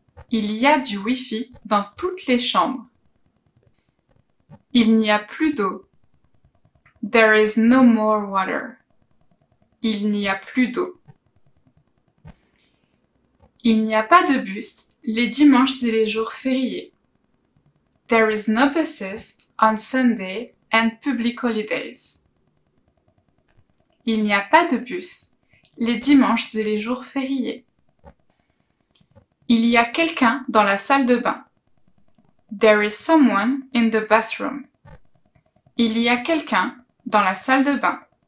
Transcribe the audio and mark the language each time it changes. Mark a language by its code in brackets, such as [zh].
[fr] Il y a du Wi-Fi dans toutes les chambres. Il n'y a plus d'eau. [en] There is no more water. [fr] Il n'y a plus d'eau. Il n'y a pas de bus les dimanches et les jours fériés. [en] There is no buses on Sunday and public holidays. [fr] Il n'y a pas de bus les dimanches et les jours fériés. Il y a quelqu'un dans la salle de bain. [en] There is someone in the bathroom. [fr] Il y a quelqu'un dans la salle de bain.